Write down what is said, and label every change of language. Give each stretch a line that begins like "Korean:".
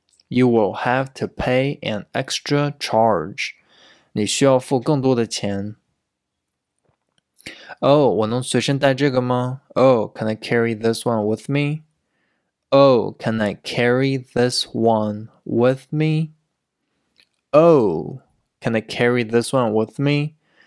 English: You will have to pay an extra charge.
Chinese: 你需要付更多的钱。 Oh, 我能随身带这个吗？
English: Oh, can I carry this one with me? Oh, can I carry this one with me? Oh, can I carry this one with me?